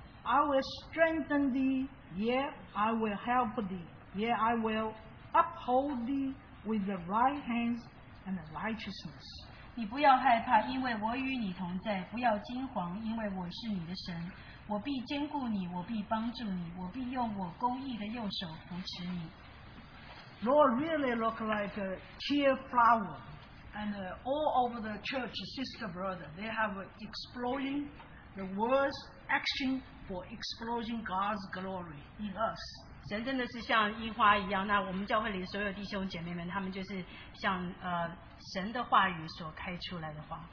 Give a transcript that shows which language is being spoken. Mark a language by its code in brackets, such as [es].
[en] I will strengthen thee, yea, I will help thee, yea, I will uphold thee with the right hand and the righteousness. [zh] 你不要害怕，因为我与你同在；不要惊惶，因为我是你的神。我必坚固你，我必帮助你，我必用我公义的右手扶持你。 [en] Lord really look like a cheer flower. And all over the church, sister, brother, they have exploding the words, action for exploding God's glory in us. [zh] 神真的是像樱花一样，那我们教会里的所有弟兄姐妹们，他们就是像神的话语所开出来的花。